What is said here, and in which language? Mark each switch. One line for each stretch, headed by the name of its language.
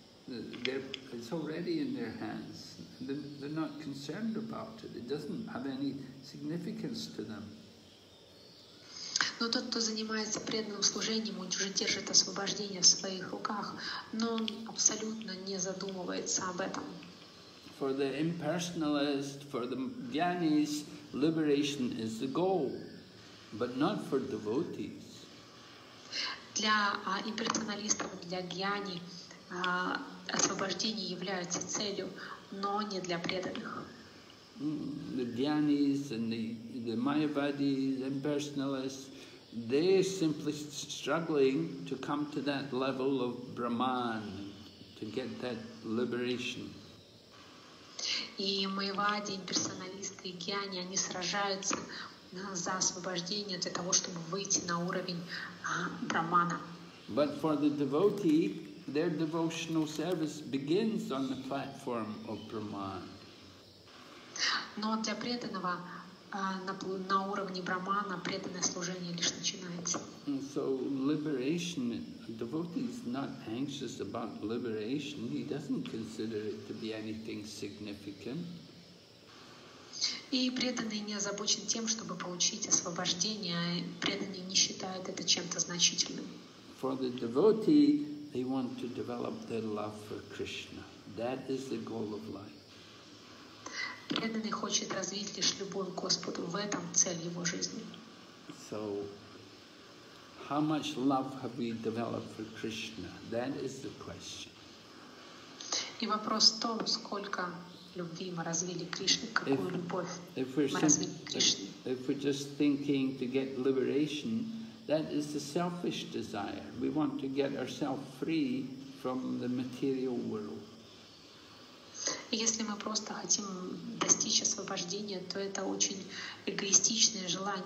English: It's already in their hands. They're not concerned about it. It doesn't have any significance to them.
Russian: Но тот, кто занимается преданным служением, он уже держит освобождение в своих руках, но он абсолютно не задумывается об этом.
English: For the impersonalist, for the jnanis, liberation is the goal, but not for devotees.
Russian: Для имперсоналистов, для гьяни, освобождение является целью, но не для преданных.
English: The jnanis and the mayavadis, impersonalists, they're simply struggling to come to that level of Brahman, to get that liberation.
Russian: И майявади, имперсоналисты, и гьяни, они сражаются за освобождение, для того, чтобы выйти на уровень брахмана.
English: But for the devotee, their devotional service begins on the platform of Brahman.
Russian: Но для преданного на уровне брахмана преданное служение лишь начинается.
English: And so liberation, a devotee is not anxious about liberation, he doesn't consider it to be anything significant.
Russian: И преданный не озабочен тем, чтобы получить освобождение, преданный не считает это чем-то значительным.
English: For the devotee, they want to develop their love for Krishna. That is the goal of life.
Russian: Преданный хочет развить лишь любовь к Господу, в этом цель его жизни.
English: So, how much love have we developed for Krishna? That is the question.
Russian: И вопрос в том, сколько любви мы развили к Кришне, какую любовь мы развили к Кришне.
English: If we're just thinking to get liberation, That is the selfish desire. We want to get ourselves free from the material world.
Russian: Если мы просто хотим достичь освобождения, то это очень эгоистичное желание.